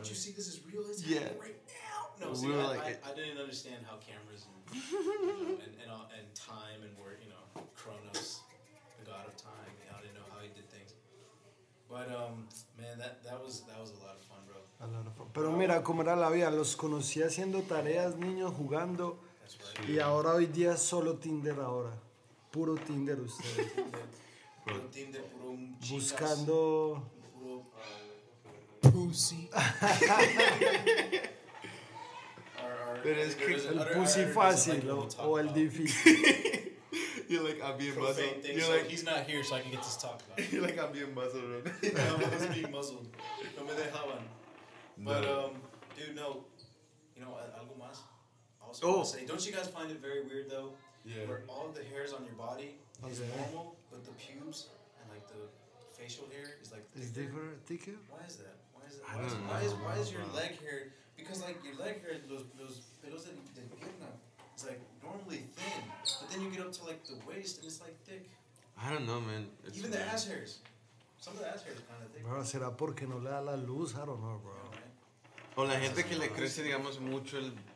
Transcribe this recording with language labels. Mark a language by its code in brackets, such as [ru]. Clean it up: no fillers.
[en] Can't you see this is real? It's happening right now. No, I didn't understand how cameras and time and work. You know, Kronos, the god of time. You know, I didn't know how he did things. But man, that was a lot of fun, bro. A lot of fun. [es] Pero mira cómo era la vida. Los conocí haciendo tareas, niños jugando. [en] Right. [es] Y ahora hoy día solo Tinder ahora. Puro Tinder ustedes. Puro Tinder, puro chicas. Buscando... Puro... [en] Pussy. [es] Pero es que... El pussy fácil like o el difícil. [en] You're like, I'm being muzzled. You're like, he's not here so I can get to talk about it. You're like, I'm being muzzled. I'm almost being muzzled. [es] No me dejaban. [en] But, dude, no. You know, [es] algo más. [en] Say, don't you guys find it very weird though? Yeah. Where all the hairs on your body is normal, but the pubes and like the facial hair is like thicker. Is different, thicker? Why is that? Why is that? Leg hair? Because like your leg hair, those [es] pelos de pierna, [en] it's like normally thin, but then you get up to like the waist and it's like thick. I don't know, man. It's even weird. The ass hairs. Some of the ass hairs kind of thick. [es] Será porque no le da la luz? [en] I don't know, bro. [es] O la gente que le crece, digamos, mucho el.